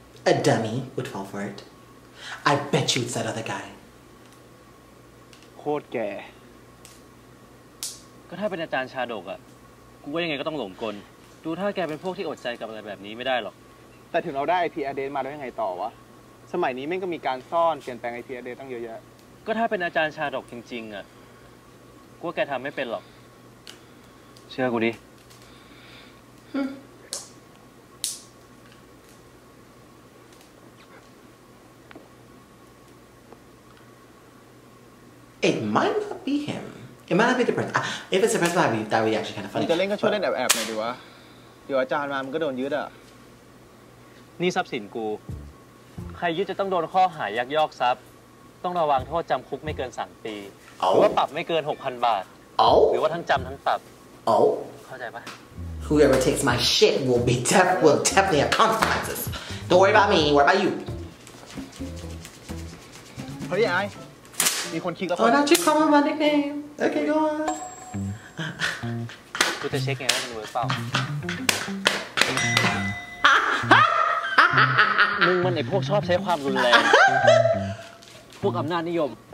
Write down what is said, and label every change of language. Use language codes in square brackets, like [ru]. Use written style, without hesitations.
[en] A dummy would fall for it I bet you it's that other guy [th] โคตรแก่ก็ถ้าเป็นอาจารย์ชาดกอะกูว่ายังไงก็ต้องหลงกลดูถ้าแกเป็นพวกที่อดใจกับอะไรแบบนี้ไม่ได้หรอก แต่ถึงเราได้ IP address มาแล้วยังไงต่อวะสมัยนี้แม่งก็มีการซ่อนเปลี่ยนแปลง IP address ตั้งเยอะแยะ ก็ถ้าเป็นอาจารย์ชาดกจริงๆอะกูว่าแกทำไม่เป็นหรอกเชื่อกูดิ [en] It might not be him. It might not be the person. If it's the person, that would be actually kind of funny. [th] จะเล่นก็ช่วยเล่นแอบๆหน่อยดีวะเดี๋ยวอาจารย์มามันก็โดนยึดอ่ะ นี่ทรัพย์สินกู ใครยึดจะต้องโดนข้อหายักยอกทรัพย์ต้องระวังโทษจำคุกไม่เกิน3ปีหรือว่าปรับไม่เกิน 6,000 บาทหรือว่าทั้งจำทั้งปรับเข้ าใจปะ [en] Whoever takes my shit will be will definitely have consequences Don't worry about me, what about you? [th] เฮ้ยไอมีคนคิดแล้ว โอ้น่าชื่อคอมมานิกเนมโอเคก่อน กูจะเช็คไงว่ามันเวิร์กเปล่ามึงมันไอ้พวกชอบใช้ความรุนแรงพวกอำนาจนิยม